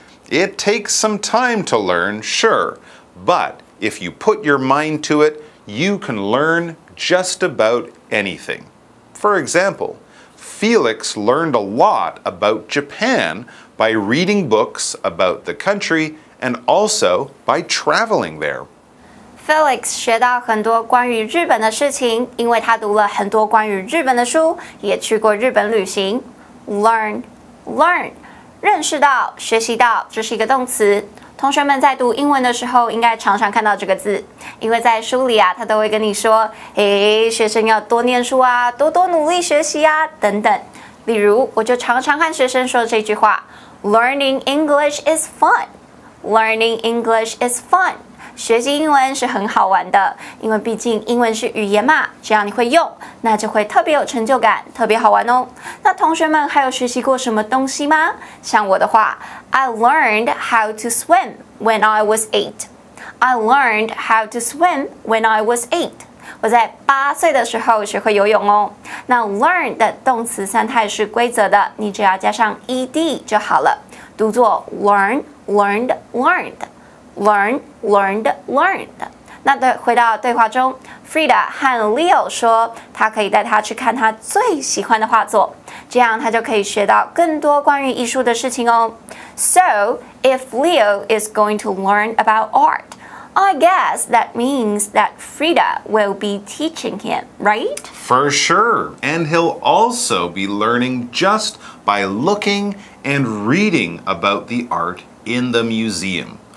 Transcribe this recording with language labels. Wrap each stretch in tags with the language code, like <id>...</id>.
<en>It takes some time to learn, sure, but if you put your mind to it, you can learn just about anything. For example, Felix learned a lot about Japan by reading books about the country and also by traveling there.</en> <zh>Felix 学到很多关于日本的事情，因为他读了很多关于日本的书，也去过日本旅行。 Learn, learn, 认识到，学习到，这是一个动词。同学们在读英文的时候应该常常看到这个字，因为在书里啊，他都会跟你说，哎，学生要多念书啊，多多努力学习啊，等等。例如，我就常常和学生说这句话，</zh> <en>Learning English is fun. Learning English is fun.</en> <zh>学习英文是很好玩的，因为毕竟英文是语言嘛，只要你会用，那就会特别有成就感，特别好玩哦。那同学们还有学习过什么东西吗？像我的话，</zh> <en>I learned how to swim when I was 8. I learned how to swim when I was 8.</en> <zh>我在八岁的时候学会游泳哦。那 learn 的动词三态是规则的，你只要加上 ed 就好了，读作 learn, learned, learned, learn, learned, learned。那对，回到对话中 ，Frida 和 Leo 说，他可以带他去看他最喜欢的画作，这样他就可以学到更多关于艺术的事情哦。</zh> <en>So if Leo is going to learn about art. I guess that means that Frida will be teaching him, right? For sure. And he'll also be learning just by looking and reading about the art in the museum.</en>